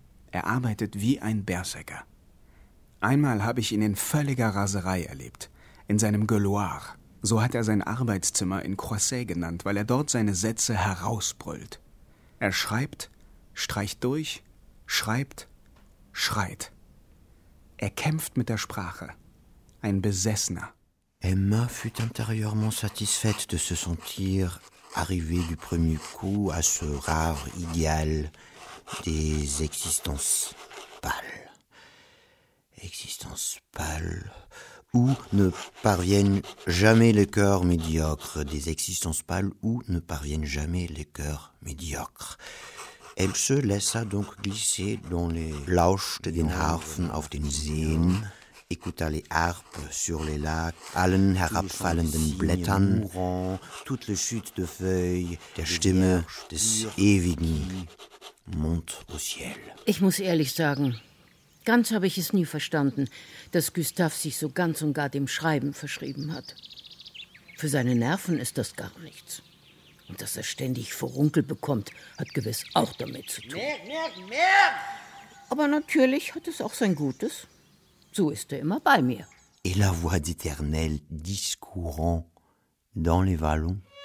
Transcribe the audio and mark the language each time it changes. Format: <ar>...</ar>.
<de>Er arbeitet wie ein Berserker. Einmal habe ich ihn in völliger Raserei erlebt, in seinem Gueuloir. So hat er sein Arbeitszimmer in Croisset genannt, weil er dort seine Sätze herausbrüllt. Er schreibt, streicht durch, schreibt, schreit. Er kämpft mit der Sprache. Ein Besessener.</de> <fr>Emma fut intérieurement satisfaite de se sentir arrivée du premier coup à ce rare idéal des existences pâles. Existences pâles. Où ne parviennent jamais les cœurs médiocres, des existences pâles, où ne parviennent jamais les cœurs médiocres. Elle se laissa donc glisser dans les</fr> <de>lauschte den Harfen auf den Seen,</de> <fr>écouta les harpes sur les lacs,</fr> <de>allen herabfallenden Blättern,</de> <fr>toutes les chutes de feuilles,</fr> <de>der Stimme des Ewigen,</de> <fr>monte au ciel.</fr> <de>Ich muss ehrlich sagen, ganz habe ich es nie verstanden, dass Gustav sich so ganz und gar dem Schreiben verschrieben hat. Für seine Nerven ist das gar nichts. Und dass er ständig Furunkel bekommt, hat gewiss auch damit zu tun. Mehr! Aber natürlich hat es auch sein Gutes. So ist er immer bei mir.</de> <fr>Et la voix d'Eternel discourant dans les vallons.</fr>